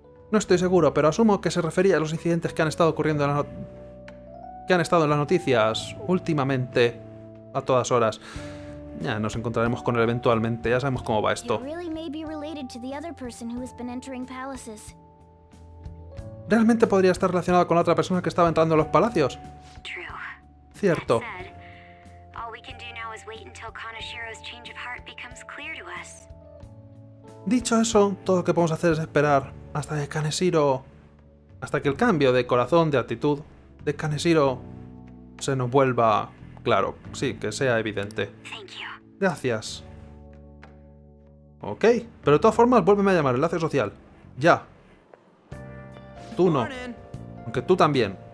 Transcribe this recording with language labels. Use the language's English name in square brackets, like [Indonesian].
[Spanish] No estoy seguro, pero asumo que se refería a los incidentes que han estado ocurriendo en las noticias últimamente, a todas horas. Ya nos encontraremos con él eventualmente, ya sabemos cómo va esto. ¿Realmente podría estar relacionado con la otra persona que estaba entrando a los palacios? Cierto. [English] can do now is wait until Kaneshiro's change of heart becomes clear to us. [Spanish] Dicho eso, todo lo que podemos hacer es esperar hasta que Kaneshiro... hasta que el cambio de corazón, de actitud de Kaneshiro se nos vuelva claro. Sí, que sea evidente. [English] Thank you. [Spanish] Gracias. Ok, pero de todas formas, vuélveme a llamar, enlace social. Ya. Tú no. Aunque tú también.